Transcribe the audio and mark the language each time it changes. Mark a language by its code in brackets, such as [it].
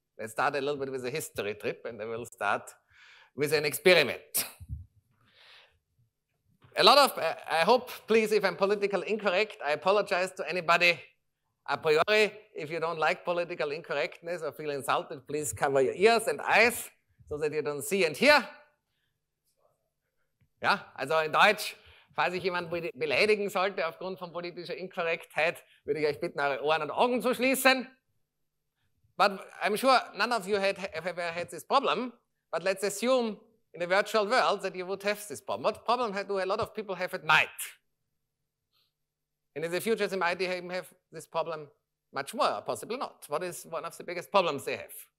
[en] Let's start a little bit with a history trip, and then we'll start with an experiment. A lot of, I hope, please, if I'm politically incorrect, I apologize to anybody. A priori, if you don't like political incorrectness or feel insulted, please cover your ears and eyes so that you don't see and hear. [de] Ja, also in Deutsch, falls ich jemanden beleidigen sollte aufgrund von politischer Inkorrektheit, würde ich euch bitten, eure Ohren und Augen zu schließen. [en] But I'm sure none of you had ever had this problem, but let's assume in a virtual world that you would have this problem. What problem do a lot of people have at night? And in the future, they might even have this problem much more, or possibly not. What is one of the biggest problems they have?